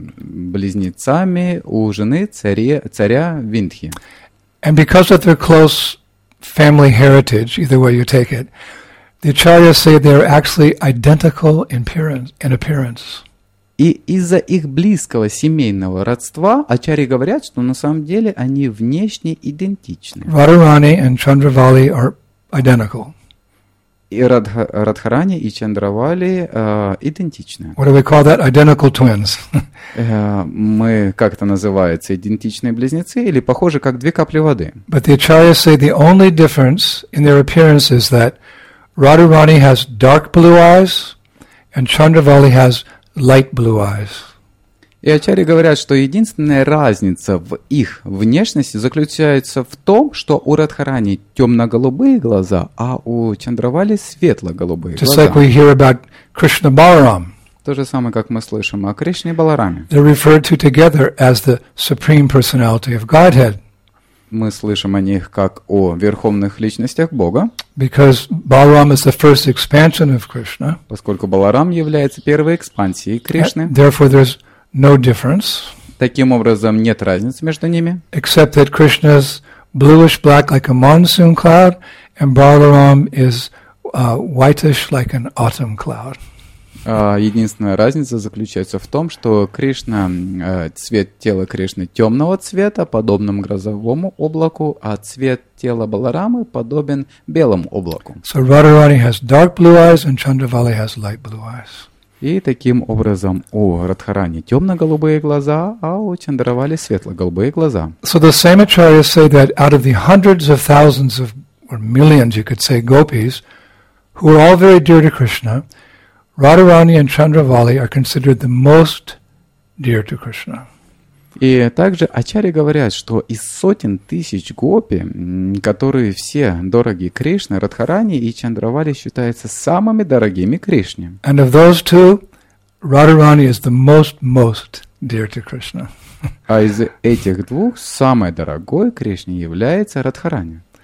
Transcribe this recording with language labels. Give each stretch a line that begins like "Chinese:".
Russian: близнецами у жены царя Виндхи.
English: And because of their close family heritage, either way you take it, the acharyas say they're actually identical in appearance.
Russian: И из-за их близкого семейного родства ачарьи говорят, что на самом деле они внешне идентичны.
English: Radharani and Chandravali are identical.
Russian: И Радхарани и Чандравали идентичны.
English: What do we call that? Identical twins.
Russian: Мы как-то называются идентичные близнецы или похожи как две капли воды.
English: But the acharyas say the only difference in their appearance is that Radharani has dark blue eyes and Chandravali has light blue eyes.
Russian: И ачарьи говорят, что единственная разница в их внешности заключается в том, что у Радхарани темно-голубые глаза, а у Чандравали светло-голубые
English: Just
Russian: глаза.
English: Like we hear about Krishna Balaram.
Russian: То же самое, как мы слышим о Кришне Балараме.
English: They're referred to together as the supreme personality of Godhead.
Russian: Мы слышим о них как о верховных личностях Бога.
English: Because Balaram is the first expansion of Krishna.
Russian: Поскольку Баларам является первой экспансией Кришны.
English: Therefore, there's no difference.
Russian: Таким образом, нет разницы между ними.
English: Except that Krishna is bluish-black like a monsoon cloud, and Balaram is whitish like an autumn cloud.
Russian: Единственная разница заключается в том, что Кришна, цвет тела Кришны темного цвета, подобным грозовому облаку, а цвет тела Баларамы подобен белому облаку.
English: So Radharani has dark blue eyes and Chandravali has light blue eyes.
Russian: И таким образом у Радхарани темно-голубые глаза, а у Чандравали светло-голубые глаза.
English: So the same acharyas say that out of the hundreds of thousands of, or millions you could say, gopis, who are all very dear to Krishna, Radharani and Chandravali are considered the most dear to Krishna.
Russian: И также ачарьи говорят, что из сотен тысяч гопи, которые все дороги Кришне, Радхарани и Чандравали считаются самыми дорогими Кришне.
English: And of those two, Radharani is the most dear to Krishna.
Russian: А из этих двух самой дорогой Кришне является Радхарани.